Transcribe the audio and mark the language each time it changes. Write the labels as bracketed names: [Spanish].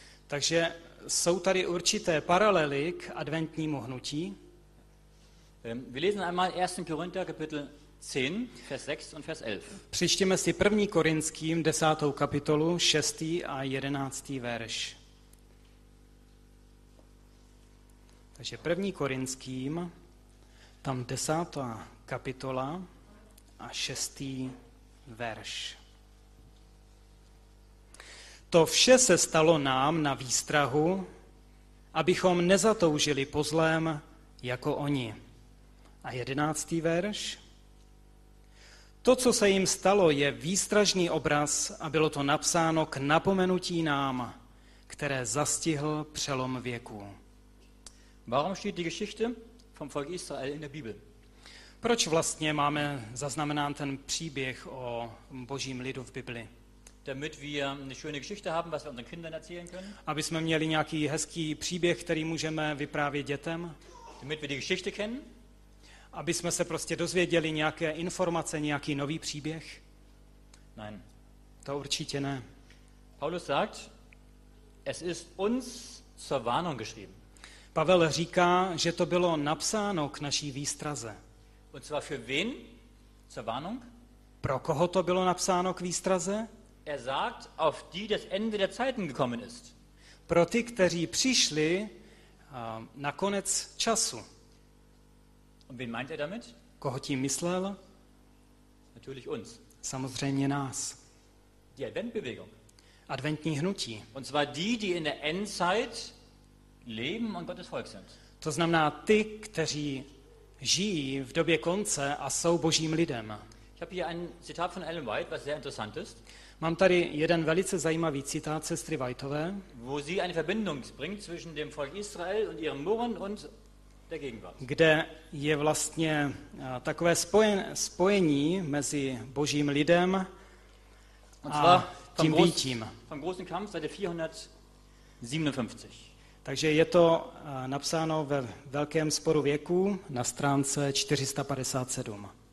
[Czech] Takže jsou tady určité paralely k adventnímu hnutí. [German] Wir lesen einmal 1. Korinther Kapitel 10, Vers 6 und Vers 11. [Czech] Přečteme si 1. Korinským 10. kapitolu 6. a 11. verš. Takže 1. Korinským, tam 10. kapitola a 6. verš. To vše se stalo nám na výstrahu, abychom nezatoužili po zlém jako oni. A 11. verš. To, co se jim stalo, je výstražný obraz a bylo to napsáno k napomenutí nám, které zastihl přelom věku. [German] Warum steht die Geschichte vom Volk Israel in der Bibel? [Czech] Proč vlastně máme zaznamenán ten příběh o Božím lidu v Bibli? [German] Damit wir eine schöne Geschichte haben, was wir unseren Kindern erzählen können. [Czech] Aby jsme měli nějaký hezký příběh, který můžeme vyprávět dětem. [German] Damit wir die Geschichte kennen. [Czech] Aby jsme se prostě dozvěděli nějaké informace, nějaký nový příběh. [German] Nein. [Czech] To určitě ne. [German] Paulus sagt, es ist uns zur Warnung geschrieben. [Czech] Pavel říká, že to bylo napsáno k naší výstraze. [German] Und zwar für wen? Zur Warnung? [Czech] Pro koho to bylo napsáno k výstraze? [German] Er sagt, auf die das Ende der Zeiten gekommen ist. [Czech] Pro ty, kteří přišli na konec času. [German] Und wen meint er damit? [Czech] Koho tím myslel? [German] Natürlich uns. [Czech] Samozřejmě nás. [German] Die Adventbewegung. [Czech] Adventní hnutí. [German] Und zwar die, die in der Endzeit leben und Gottes Volk sind. [Czech] To znamená ty, kteří žijí v době konce a jsou Božím lidem. [German] Ich habe hier ein Zitat von Ellen White, was sehr interessant ist. [Czech] Mám tady jeden velice zajímavý citát sestry Whiteové. [German] Wo sie eine Verbindung bringt zwischen dem Volk Israel und ihrem Murren und der Gegenwart. [Czech] Kde je vlastně takové spojení mezi Božím lidem a tím vítím. [German] Vom großen Kampf seit 457. [Czech] Takže je to napsáno ve velkém sporu věku na stránce 457.